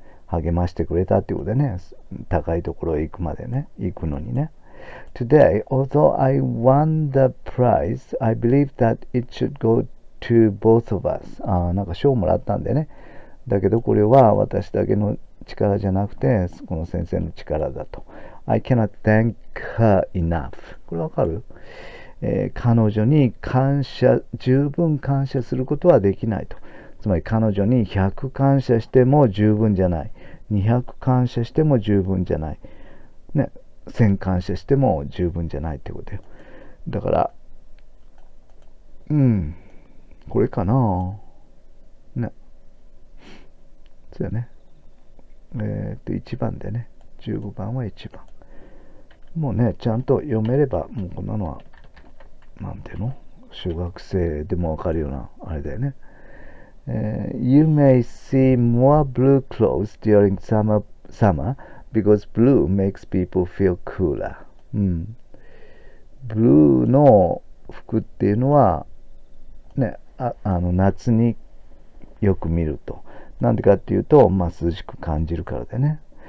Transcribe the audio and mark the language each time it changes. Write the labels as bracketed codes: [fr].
[ja] 励ましてくれたっていうことでね、高いところへ行くまでね、行くのにね。 [en] Today, although I won the prize, I believe that it should go to both of us。 [ja] 賞をもらったんでね。だけどこれは私だけの力じゃなくて、この先生の力だと。 [en] I cannot thank her enough。 [ja] これわかる？彼女に感謝、十分感謝することはできないと。つまり彼女に100感謝しても十分じゃない。 200感謝しても十分じゃない。ね、1000感謝しても十分じゃないってことよ。だから、これかな。そうだね。1番でね。 15番は1番。もうね、ちゃんと読めれば、もうこんなのは、なんていうの？小学生でもわかるような、あれだよね。 [en] You may see more blue clothes during summer because blue makes people feel cooler. [ja] Blue の服っていうのは、ね、あの夏によく見ると。なんでかっていうと、まあ、涼しく感じるからだよね。